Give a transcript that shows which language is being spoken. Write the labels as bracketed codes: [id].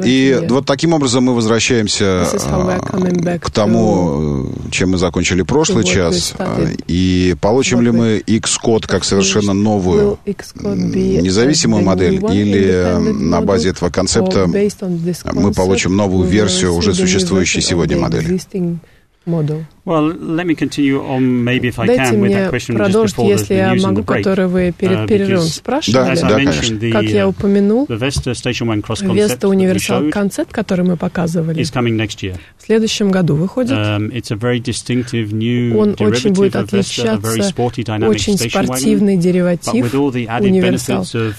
[ru] И вот таким образом мы возвращаемся к тому, чем мы закончили прошлый час. И получим ли мы X-код как совершенно новую независимую модель, или на базе этого концепта мы получим новую версию уже существующей сегодня модели? [en] Well, let me continue on, maybe if I [ru] Дайте [en] can, with that question just before the news and the break. [ru] Который вы перед перерывом спрашивали. Да, конечно. Как я упомянул, [en] Vesta Station Wagon Cross [ru] концепт, который мы показывали, [en] is coming next year. [ru] В следующем году выходит. [en] It's a very distinctive new [ru] Он [en] derivative [ru] будет [en] of Vesta, a very sporty dynamic station wagon. [ru] Очень спортивный дериватив Universal.